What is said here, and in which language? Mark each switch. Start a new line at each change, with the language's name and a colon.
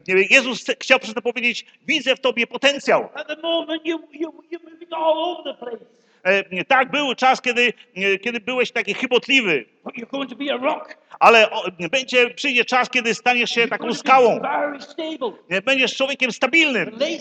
Polish: Jezus chciał przez to powiedzieć, widzę w tobie potencjał.
English: At the moment you're moving all over the place.
Polish: Tak, był czas, kiedy byłeś taki chybotliwy.
English: You're going to be a rock.
Polish: Ale przyjdzie czas, kiedy staniesz się
English: you're
Polish: taką skałą.
English: Very stable.
Polish: Będziesz człowiekiem stabilnym.